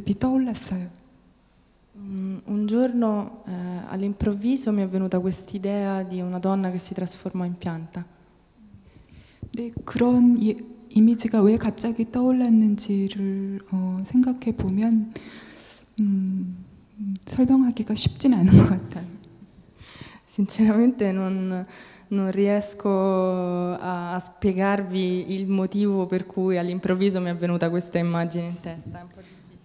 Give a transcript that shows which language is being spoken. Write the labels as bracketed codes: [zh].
[it] Un giorno all'improvviso mi è venuta questa idea di una donna che si trasforma in pianta. [ko] 네, 그런 이미지가 왜 갑자기 떠올랐는지를 생각해 보면 설명하기가 쉽진 않은 것 같아요. [it] Sinceramente non riesco a spiegarvi il motivo per cui all'improvviso mi è venuta questa immagine in testa, è un po' difficile.